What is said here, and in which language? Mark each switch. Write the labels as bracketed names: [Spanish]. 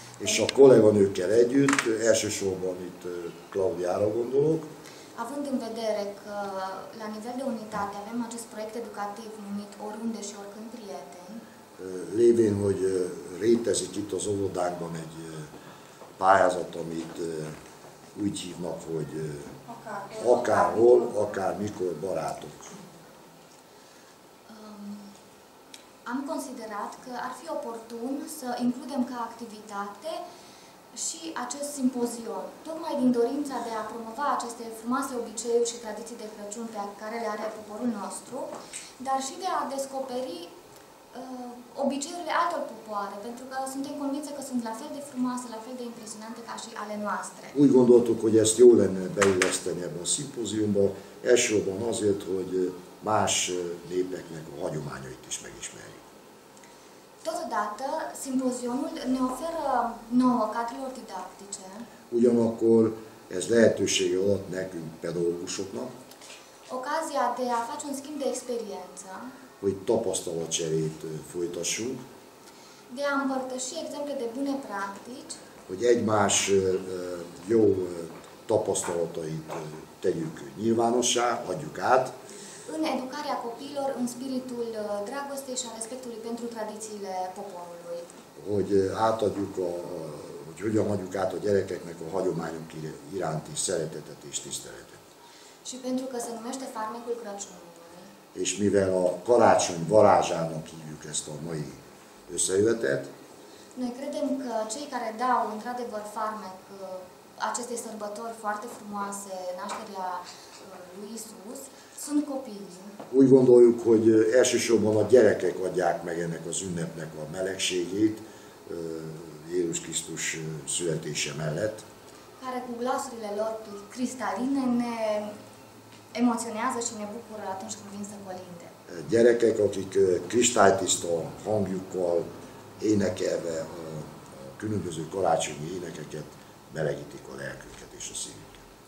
[Hungarian] És a kolléganőkkel együtt, elsősorban itt Claudiára gondolok. [Romanian] Având în vedere că la nivel de unitate avem acest proiect educativ numit Oriunde și Oricând Prieteni. [Hungarian] Lévén, hogy rétezik itt az óvodákban egy pályázat, amit úgy hívnak, hogy akárhol, akár mikor barátok. [Romanian] am considerat că ar fi oportun să includem ca activitate și acest simpozion, tocmai din dorința de a promova aceste frumoase obiceiuri și tradiții de Crăciun pe care le are poporul nostru, dar și de a descoperi obiceiurile altor popoare, pentru că suntem convinse că sunt la fel de frumoase, la fel de impresionante ca și ale noastre. [Hungarian] Úgy gondoltuk, hogy ezt jó lenne beilleszteni ebbe a szimpóziumba, elsősorban azért, hogy más népeknek a hagyományait is megismerjük. [Romanian] Totodată, szimpózionul ne oferă nouă cadrilor didactice. [Hungarian] Ugyanakkor ez lehetősége adott nekünk pedagógusoknak. [Romanian] Ocazia de a face un schimb de experiență. [Hungarian] Hogy tapasztalatcserét folytassunk. [Romanian] De a împărtăși exemple de bune practici. [Hungarian] Hogy egymás jó tapasztalatait tegyük nyilvánossá, adjuk át. [Romanian] În educarea copiilor, în spiritul dragostei și a respectului pentru tradițiile poporului. [Hungarian] Hogy átadjuk a, hogy hogyan adjuk át a gyerekeknek a hagyományunk iránti szeretetet és tiszteletet. [Romanian] Și pentru că se numește farmecul Crăciunului. [Hungarian] És mivel a karácsony varázsának hívjuk ezt a mai összejövetet. [Romanian] Noi credem că cei care dau într-adevăr farmec acestei sărbători foarte frumoase, nașterea lui Isus, sunt copiii. [Hungarian] Úgy gondoljuk, hogy elsősorban a gyerekek adják meg ennek az ünnepnek a melegségét Jézus Krisztus születése mellett. [Romanian] Care cu glasurile lor cristaline ne emoționează și ne bucură atunci când vin să colinde. [Hungarian] Gyerekek, akik kristálytiszta hangjukkal énekelve a különböző karácsonyi énekeket melegítik a lelküket és a szívüket.